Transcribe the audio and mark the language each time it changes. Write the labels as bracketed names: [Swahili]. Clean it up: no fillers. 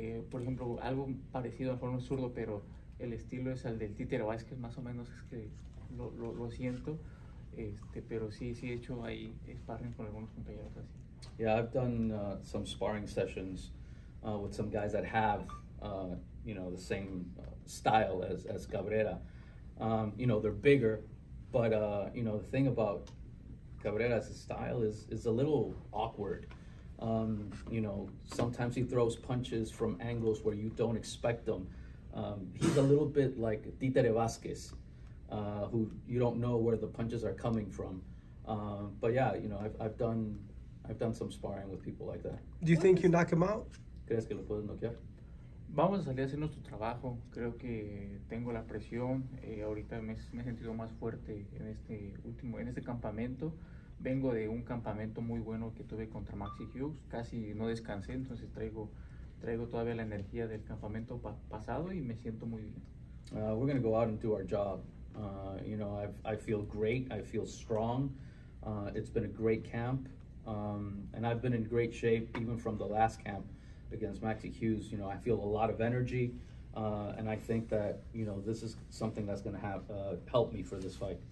[Spanish] Por ejemplo, algo parecido, a lo mejor no es zurdo, pero el estilo es al del Títere Vázquez, más o menos es que lo siento. Pero sí he hecho ahí sparring con algunos compañeros así. [English] Yeah, I've done some sparring sessions with some guys that have, you know, the same style as Cabrera. You know, they're bigger. But, you know, the thing about Cabrera's style is a little awkward. You know, sometimes he throws punches from angles where you don't expect them. He's a little bit like Títere Vázquez, who you don't know where the punches are coming from. But yeah, you know, I've done, I've done some sparring with people like that. Do you think you knock him out? [Spanish] ¿Crees que lo puedes noquear? Vamos a salir a hacer nuestro trabajo. Creo que tengo la presión. Ahorita me he sentido más fuerte en este último, en este campamento. Vengo de un campamento muy bueno que tuve contra Maxi Hughes. Casi no descansé, entonces traigo todavía la energía del campamento pasado y me siento muy bien. [English] We're going to go out and do our job. You know, I feel great. I feel strong. It's been a great camp. And I've been in great shape even from the last camp against Maxi Hughes. You know, I feel a lot of energy. And I think that, you know, this is something that's going to have help me for this fight.